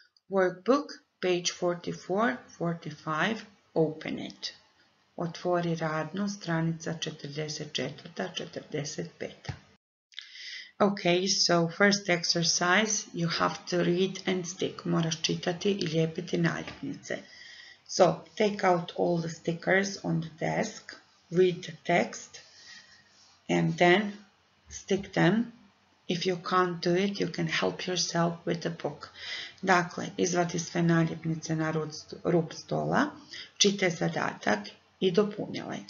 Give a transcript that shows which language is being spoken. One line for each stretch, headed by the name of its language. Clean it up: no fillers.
English: Workbook, page 44, 45, open it.
Croatian: Otvori radno, stranica 44, 45.
English: Okay, so first exercise, you have to read and stick.
Croatian: Moraš čitati I lijepiti naljepnice.
English: So, take out all the stickers on the desk, read the text, and then stick them. If you can't do it, you can help yourself with the book.
Croatian: Dakle, izvadi sve naljepnice na rub stola, čitaj zadatak I dopunjaj.